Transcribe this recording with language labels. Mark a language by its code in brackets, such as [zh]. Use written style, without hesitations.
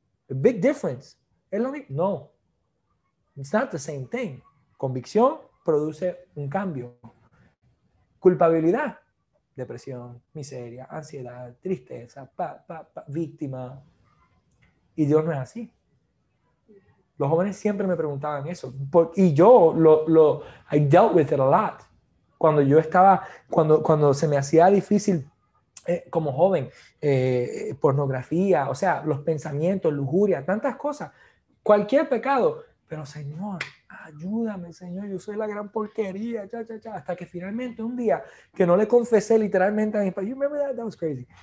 [en] A big difference. [es] ¿Es lo mismo? No. [en] It's not the same thing. [es] Convicción produce un cambio. Culpabilidad, depresión, miseria, ansiedad, tristeza, víctima. Y Dios no es así. Los jóvenes siempre me preguntaban eso. Y yo lo [en] I dealt with it a lot. [es] Cuando yo estaba, cuando se me hacía difícil como joven, pornografía, o sea, los pensamientos, lujuria, tantas cosas, cualquier pecado, pero Señor, ayúdame, Señor, yo soy la gran porquería, cha, cha, cha, hasta que finalmente un día que no le confesé literalmente a mi papá, [en] you remember that? That was crazy.